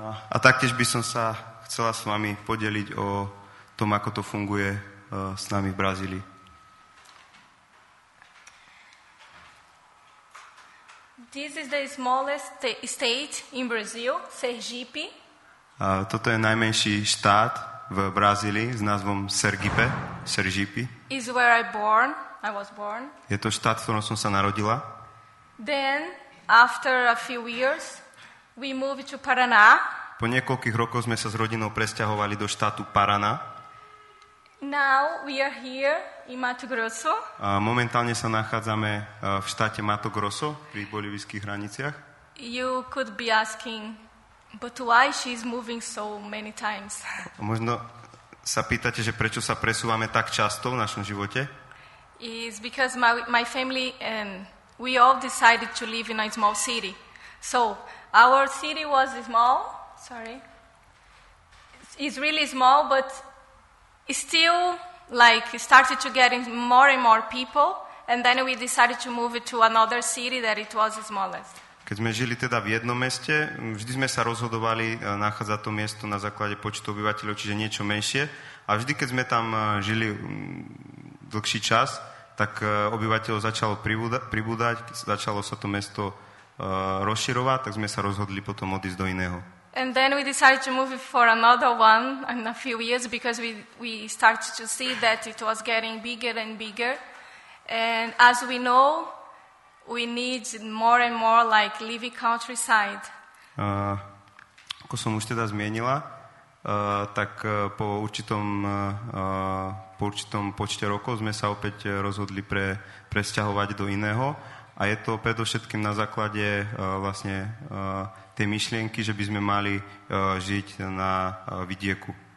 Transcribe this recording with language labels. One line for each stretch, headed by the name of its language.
Slovak: A taktiež by som sa chcela s vami podeliť o tom, ako to funguje s nami v Brazílii.
English: This is the smallest state in Brazil, Sergipe.
Slovak: Toto je najmenší štát v Brazílii s názvom Sergipe, Sergipe.
English: Is where I born. I was born.
Slovak: Je to štát, v ktorom som sa narodila.
English: Then, after a few years, we moved to Paraná.
Slovak: Po niekoľkých rokoch sme sa s rodinou presťahovali do štátu Paraná.
English: Now we are here in Mato Grosso.
Slovak: A momentálne sa nachádzame v štáte Mato Grosso, pri bolivijských hraniciach.
English: You could be asking, but why she is moving so many times?
Slovak: Možno sa pýtate, že prečo sa presúvame tak často v našom živote?
English: It's because my family and we all decided to live in a small city. So, our city was small. Sorry. It's really small, but still, like, started to get more and more people, and then we decided to move it to another city that it was the smallest.
Slovak: Keď sme žili teda v jednom meste, vždy sme sa rozhodovali nachádzať to miesto na základe počtu obyvateľov, čiže niečo menšie. A vždy, keď sme tam žili dlhší čas, tak obyvateľov začalo pribúdať, začalo sa to mesto rozširovať, tak sme sa rozhodli potom odísť do iného.
English: And then we decided to move for another one in a few years because we started to see that it was getting bigger and bigger. And as we know, we need more and more like living countryside.
Slovak: Ako som už teda zmienila, tak po určitom počte rokov sme sa opäť rozhodli presťahovať do iného. A je to predovšetkým na základe vlastne tej myšlienky, že by sme mali žiť na vidieku.